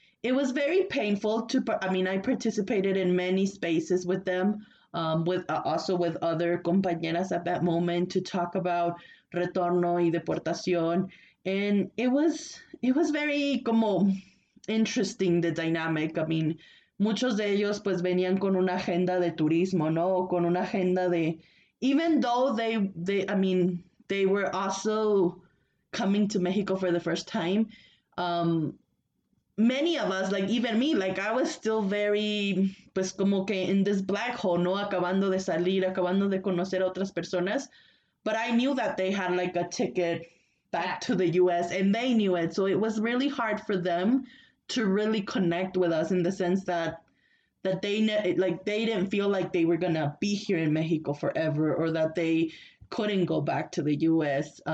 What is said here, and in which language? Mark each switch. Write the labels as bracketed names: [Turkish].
[English] It was very painful I mean, I participated in many spaces with them, also with other compañeras at that moment to talk about [Spanish] retorno y deportación, [English] and it was very como interesting the dynamic. I mean, [Spanish] muchos de ellos pues venían con una agenda de turismo, ¿no? O con una agenda de, [English] even though I mean, they were also coming to Mexico for the first time. Many of us, like even me, like I was still very, [Spanish] pues como que [English] in this black hole, [Spanish] ¿no? Acabando de salir, acabando de conocer a otras personas. [English] But I knew that they had like a ticket back to the US and they knew it. So it was really hard for them to really connect with us in the sense that they didn't feel like they were gonna be here in Mexico forever or that they couldn't go back to the US.